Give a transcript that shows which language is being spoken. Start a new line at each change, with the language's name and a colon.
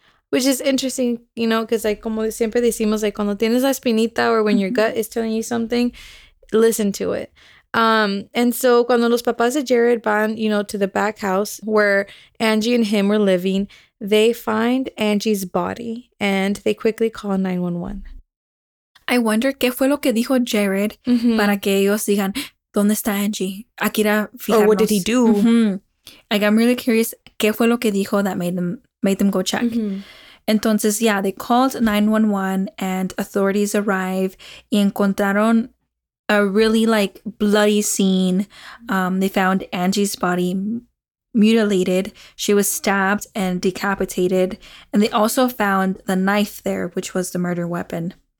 English: Which is interesting, you know, because like,
Spanish: como siempre decimos,
English: like,
Spanish: cuando tienes la espinita
English: or when your gut is telling you something, listen to it. And so,
Spanish: cuando los papás de Jared van,
English: you know, to the back house where Angie and him were living, they find Angie's body and they quickly call 911. I wonder
Spanish: qué fue lo que dijo Jared para que ellos digan, ¿dónde está Angie? Aquí era fijarnos.
English: Or what did he do? Like, I'm really curious
Spanish: qué fue lo que dijo
English: that made them go check.
Spanish: Entonces,
English: yeah, they called 911 and authorities arrive
Spanish: y encontraron
English: a really, like, bloody scene. They found Angie's body mutilated. She was stabbed and decapitated. And they also found the knife there, which was the murder weapon.